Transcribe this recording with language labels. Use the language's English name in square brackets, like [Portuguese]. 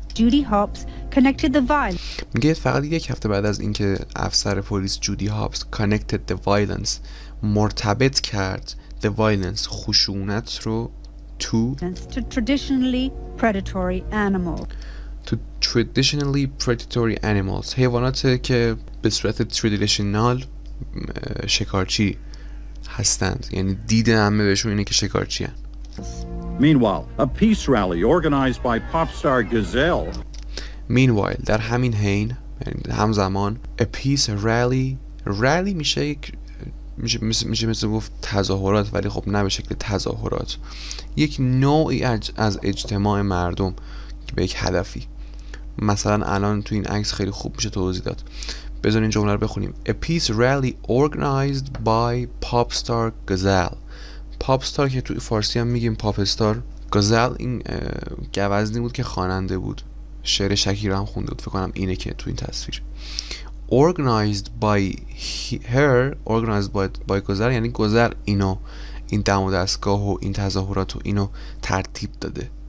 [English] Judy Hopps connected the violence. [Persian] میگه فقط یک هفته بعد از اینکه افسر پلیس جودی هابز [English] connected the violence، [Persian] مرتبط کرد the violence، خشونت رو [English] to traditionally predatory animals. To traditionally predatory animals. [Persian] حیوانات که به صورت traditional شکارچی هستند. یعنی دیده همه بهشون اینه که شکارچی هستند. [English] Meanwhile, a peace rally organized by pop star Gazelle. [Persian] Meanwhile, در همین حین، همزمان، [English] a peace rally. [Persian] Rally میشه مثل گفت تظاهرات، ولی خب نه به شکل تظاهرات. یک نوعی از اجتماع مردم به یک هدفی. مثلا الان تو این عکس خیلی خوب میشه توضیح داد. بذار این جمله رو بخونیم. [English] A peace rally organized by pop star Gazelle. [Persian] پاپ استار که توی فارسی هم میگیم پاپ استار. گازل این گوزنی بود که خواننده بود، شعر شکیرا هم خونده بود فکر کنم، اینه که تو این تصویر. [English] organized by her، [Persian] organized by گازل یعنی گازل اینو، این دم و دستگاه و این تظاهرات و اینو ترتیب داده.